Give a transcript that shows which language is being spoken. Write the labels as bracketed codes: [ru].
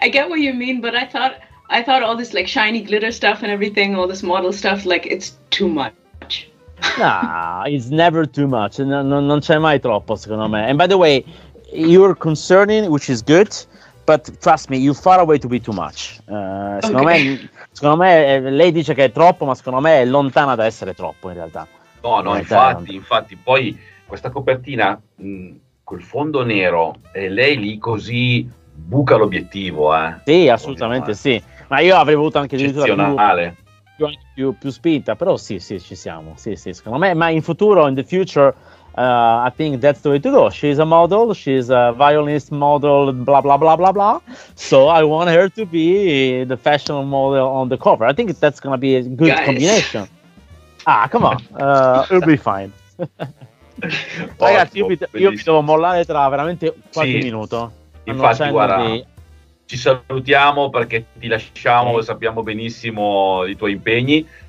[en] I get what you mean, but I thought all this like shiny glitter stuff and everything, all this model stuff, like it's too much. Nah, it's never too much. [it] Non c'è mai troppo, secondo me. [en] And by the way, you're concerning, which is good, but trust me, you're far away to be too much. [it] Secondo me, lei dice che è troppo, ma secondo me è lontana da essere troppo in realtà. No, infatti, poi questa copertina col fondo nero e lei lì così buca l'obiettivo, Sì, assolutamente sì. Ma io avrei voluto anche addirittura più spinta, però sì, ci siamo. Sì, secondo me, ma in futuro, [en] in the future, I think that's the way to go. She's a model, she's a violinist model, blah blah blah blah blah. So I want her to be the fashion model on the cover. I think that's gonna be a good combination. Ah, come on, it'll be fine. [it] Ottimo, ragazzi, io mi devo mollare tra veramente qualche minuto. Infatti, guarda, ci salutiamo perché ti lasciamo, sappiamo benissimo i tuoi impegni.